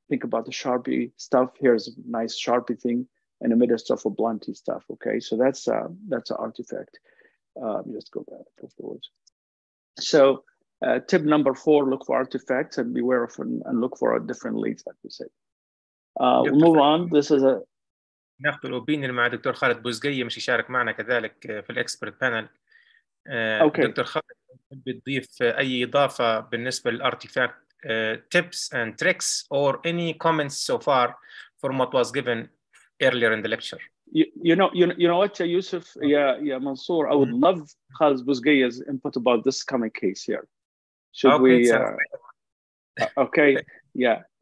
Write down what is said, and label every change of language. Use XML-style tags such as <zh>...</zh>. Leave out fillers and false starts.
<en>Think about the sharpie stuff. Here's a nice sharpie thing in the middle of a blunty stuff. Okay, so that's an artifact. Just go back afterwards. So tip number 4, look for artifacts and beware of and look for different leads, like we said. We'll move on. This is a</en> <ar>ناخذ الاوبينيون مع دكتور خالد بوزقية مش يشارك معنا كذلك في الاكسبرت بانل. أوكي. دكتور خالد بتضيف اي اضافه بالنسبه للارتيفاكت</ar> <en>tips and tricks or any comments so far from what was given earlier in the lecture? You know what, Yusuf, yeah, Mansour, I would love Khalid Buzgaya's input about this coming case here. Should okay, we? Okay, yeah.</en>